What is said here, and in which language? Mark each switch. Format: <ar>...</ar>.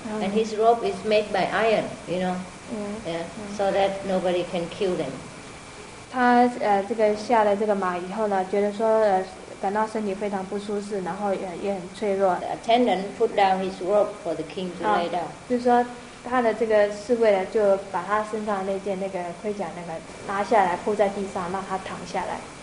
<en>And his rope is made by iron, you know, so that nobody can kill them.</en> <zh>他下了这个马以后呢，觉得说感到身体非常不舒适，然后也很脆弱。</zh> <en>The attendant put down his rope for the king to lay down.</en> <zh>就是说他的这个侍卫呢，就把他身上那件那个盔甲那个拿下来铺在地上，让他躺下来。</zh>